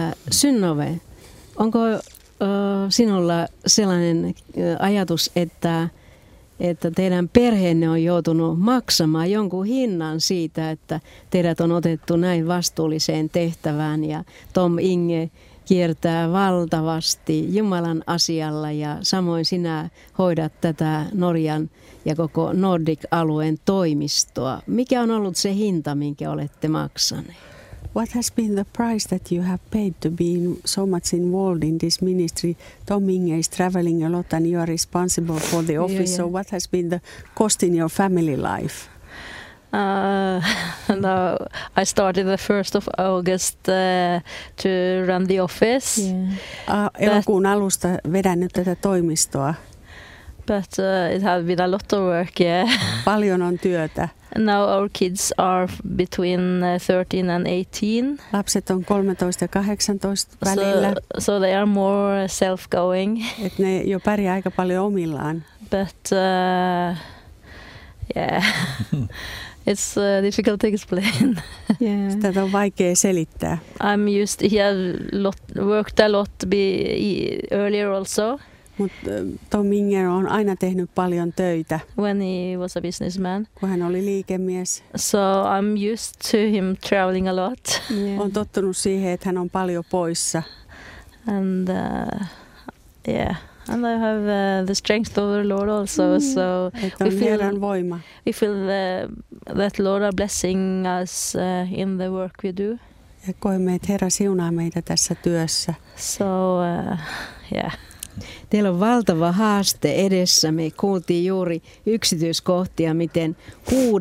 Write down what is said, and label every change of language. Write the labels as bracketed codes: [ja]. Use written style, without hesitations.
[fi] Synnove, onko sinulla sellainen ajatus, että teidän perheenne on joutunut maksamaan jonkun hinnan siitä, että teidät on otettu näin vastuulliseen tehtävään ja Tom Inge kiertää valtavasti Jumalan asialla ja samoin sinä hoidat tätä Norjan ja koko Nordic-alueen toimistoa. Mikä on ollut se hinta, minkä olette maksaneet? [en] What has been the price that you have paid to be so much involved in this ministry? Tom Inge is traveling a lot and you are responsible for the office. Yeah, yeah. So what has been the cost in your family life? No, I started the 1st of August to run the office. [fi] Yeah. Elokuun alusta vedän nyt tätä toimistoa. [en] but it has been a lot of work, yeah. [fi] Paljon on työtä. [en] Now our kids are between 13 and 18. [fi] Lapset on 13 ja 18 välillä. [en] So they are more self-going. [fi] Et ne jo pärjää aika paljon omillaan. [en] But yeah, it's difficult to explain. Yeah. [fi] Sitä on vaikea selittää. [en] I'm used to, worked a lot earlier also. [fi] Mutta Tom Minger on aina tehnyt paljon töitä. [en] When he was a businessman. [fi] Kun hän oli liikemies. [en] So I'm used to him traveling a lot. Yeah. [fi] On tottunut siihen, että hän on paljon poissa. [en] And yeah. And I have the strength of the Lord also, so we feel voima. We feel that Lord are blessing us in the work we do. [fi] Ja koemme, että Herra siunaa meitä tässä työssä. [en] So, yeah. [fi] Teillä on valtava haaste edessä. Me kuultiin juuri yksityiskohtia, miten 6.–9.